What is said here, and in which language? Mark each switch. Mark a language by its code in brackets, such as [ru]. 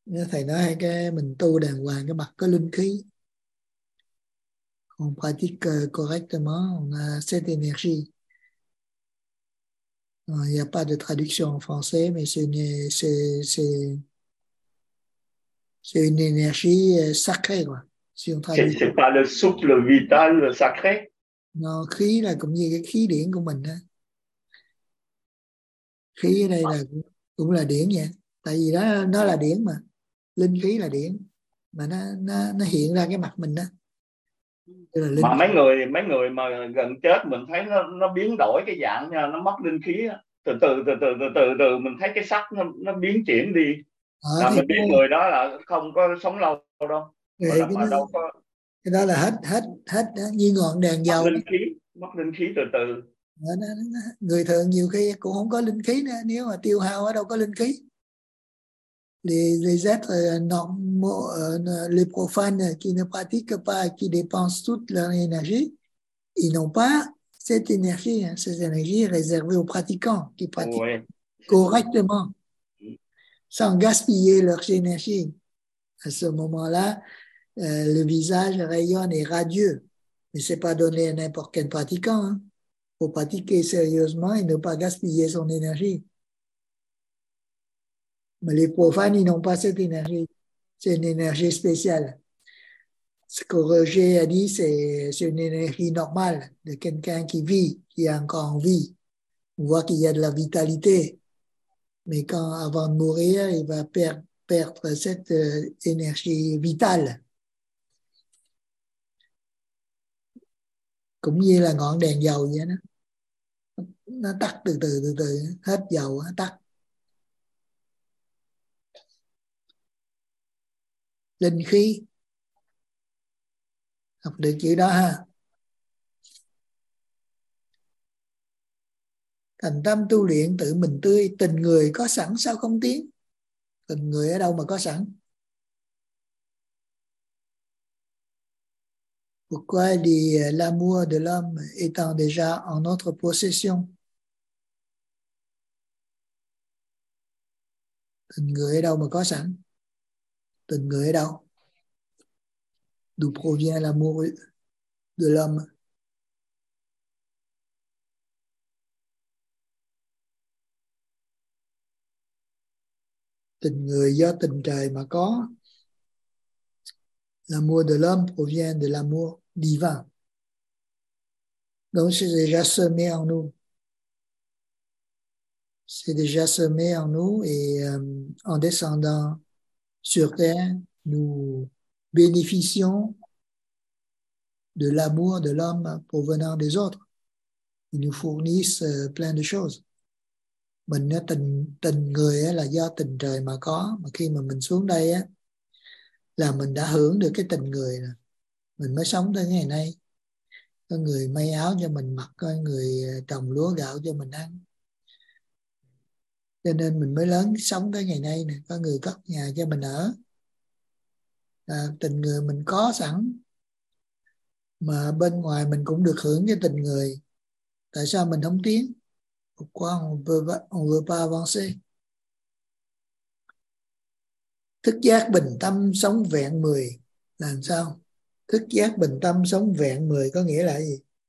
[vi] Thầy nói hai cái mình tu đàng hoàng, cái mặt có linh khí. [fr] On pratique correctement, on a cette énergie. Il n'y a pas de traduction en français, mais c'est une énergie sacrée, quoi. Si on traduit. C'est pas le souffle vital sacré? [vi] Non, khí là cũng như cái khí điển của mình. Hein. Khí ở đây là, cũng là điển vậy. Tại vì nó là điển mà. Linh khí là điển. Mà nó hiện ra cái mặt mình đó. Mà mấy người mà gần chết mình thấy nó biến đổi cái dạng, nó mất linh khí, từ từ mình thấy cái sắc nó biến chuyển đi. Mình biết người đó là không có sống lâu đâu. Cái đó là hết như ngọn đèn dầu. Mất linh khí từ từ. Người thường nhiều khi cũng không có linh khí nữa, nếu mà tiêu hao ở đâu có linh khí. [fr] Les êtres normaux, les profanes qui ne pratiquent pas, qui dépensent toute leur énergie, ils n'ont pas cette énergie. Hein, cette énergie est réservée aux pratiquants qui pratiquent ouais. correctement, sans gaspiller leur énergie. À ce moment-là, le visage rayonne et radieux. Mais ce n'est pas donné à n'importe quel pratiquant. Hein. Il faut pratiquer sérieusement et ne pas gaspiller son énergie. Mais les profanes, ils n'ont pas cette énergie. C'est une énergie spéciale. Ce que Roger a dit, c'est une énergie normale de quelqu'un qui vit, qui est encore en vie. On voit qu'il y a de la vitalité. Mais quand, avant de mourir, il va perdre cette énergie vitale. [vi] Cũng như là ngọn đèn dầu vậy đó. Nó tắt từ từ, hết dầu, tắt. Linh khí. Học được chữ đó ha. Thành tâm tu luyện tự mình tươi. Tình người có sẵn sao không tiến? Tình người ở đâu mà có sẵn? [fr] Pourquoi l'amour de l'homme étant déjà en notre possession? [vi] Tình người ở đâu mà có sẵn? Tình người ở đâu? [fr] D'où provient l'amour de l'homme. [vi] Tình người do tình trời mà có. [fr] L'amour de l'homme provient de l'amour divin. Donc c'est déjà semé en nous. C'est déjà semé en nous et en descendant sur terre, nous bénéficions de l'amour de l'homme provenant des autres. Ils nous fournissent plein de choses. [vi] Mình là tình người là do tình trời mà có. Mà khi mà mình xuống đây là mình đã hưởng được cái tình người. Mình mới sống tới ngày nay. Có người may áo cho mình mặc, có người trồng lúa gạo cho mình ăn. Cho nên mình mới lớn sống tới ngày nay. Có người cất nhà cho mình ở. À, tình người mình có sẵn. Mà bên ngoài mình cũng được hưởng cái tình người. Tại sao mình không tiến? [fr] Pourquoi on veut pas avancer? [vi] Thức giác bình tâm sống vẹn mười. Làm sao? Thức giác bình tâm sống vẹn mười có nghĩa là gì?